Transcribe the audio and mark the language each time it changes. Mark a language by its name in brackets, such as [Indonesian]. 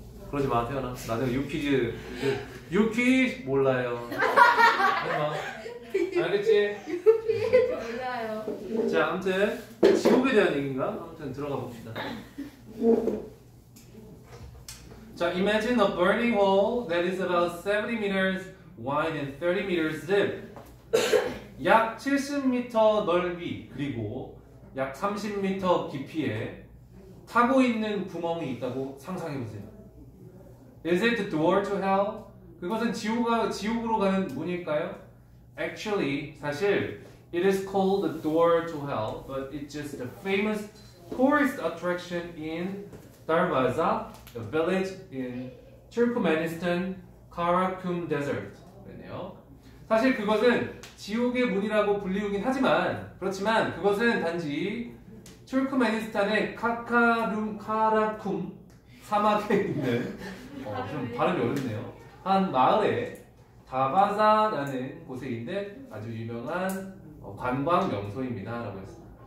[Korean] 그러지 마, 태연아. 나중에 유퀴즈. 유퀴즈? 몰라요. 해봐. 알겠지? 유퀴즈? 몰라요. 자, 아무튼, 지옥에 대한 얘기인가? 아무튼 들어가 봅시다. [English] 자, imagine a burning hole that is about 70 meters wide and 30 meters deep. [Korean] 약 70m 넓이, 그리고 약 30m 깊이에 타고 있는 구멍이 있다고 상상해보세요. [English] Is it the door to hell? [Korean] 그것은 지옥으로 가는 문일까요? [English] Actually, [Korean] 사실, [English] it is called the door to hell, but it's just a famous tourist attraction in Darbaza, a village in Turkmenistan, Karakum Desert. [Korean] 사실 그것은 지옥의 문이라고 불리우긴 하지만, 그렇지만 그것은 단지 투르크메니스탄의 카카룸 카라쿰 사막에 있는 어, 좀 발음이 어렵네요. 한 마을에 다바자라는 곳에 있는 아주 유명한 관광 명소입니다. 라고 했습니다.